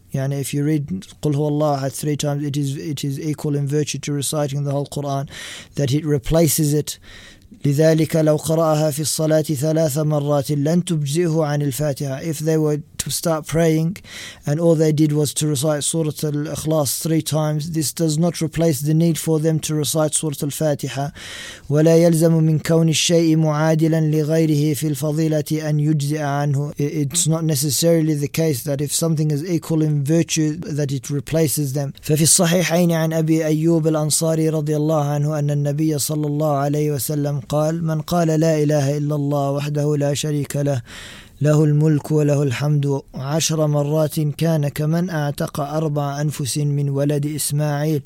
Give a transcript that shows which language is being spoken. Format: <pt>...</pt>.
<en>Yani if you read قل هو الله أحد three times, it is equal in virtue to reciting the whole Quran, that it replaces it.</en> <ar>لذلك لو قرأها في الصلاة ثلاث مرات لن تجزئه عن الفاتحة.</ar> <en>If they were to start praying and all they did was to recite Surah Al-Ikhlas three times, this does not replace the need for them to recite Surah Al-Fatiha.</en> <ar>ولا يلزم من كون الشيء معادلا لغيره في الفضيلة أن يجزئ عنه.</ar> <en>It's not necessarily the case that if something is equal in virtue that it replaces them.</en> <ar>ففي الصحيحين عن أبي أيوب الأنصاري رضي الله عنه أن النبي صلى الله عليه وسلم قال من قال لا إله إلا الله وحده لا شريك له له الملك وله الحمد عشر مرات كان كمن أعتق أربع أنفس من ولد إسماعيل.</ar>